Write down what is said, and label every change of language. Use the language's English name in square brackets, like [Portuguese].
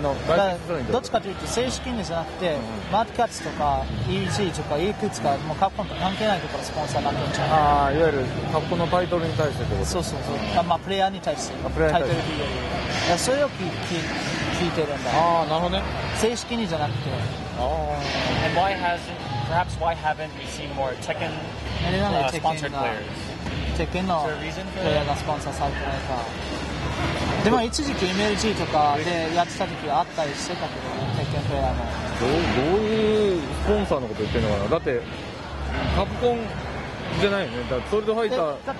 [Japanese] どっちかというと正式にじゃなくて、マッカツとか EG とかいくつかもうカプコンと関係ないところスポンサーになってるんじゃないいわゆるカプコンのタイトルに対してってこと。そう、まあ、プレイヤーに対してタイトルビデオ、それを聞いてるんだ。ああなるほどね。正式にじゃなくて。 [English] And why haven't we seen more Tekken sponsored players? [Japanese] 鉄拳のプレイヤーがスポンサーされてないか。でも一時期 MLG とかでやってた時はあったりしてたけど、鉄拳プレイヤーも。どういうスポンサーのこと言ってるのかな。だってカプコンじゃないよね。だってソルトファイター、